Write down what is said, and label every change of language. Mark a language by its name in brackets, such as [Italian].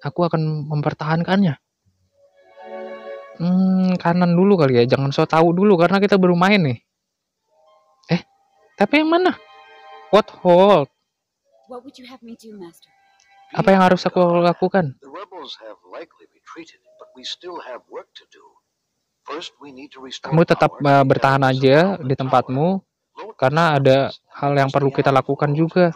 [Indonesian] Aku akan mempertahankannya. Kanan dulu kali ya, jangan so tau dulu karena kita baru main nih. Tapi yang mana? [English] What hold? What would you have me do, Master? [Indonesian] Apa yang harus aku lakukan? [English] The rebels have likely retreated, but we still have work to do. First, we need to restore. [Indonesian] Kamu tetap bertahan aja di tempatmu, karena ada hal yang perlu kita lakukan juga.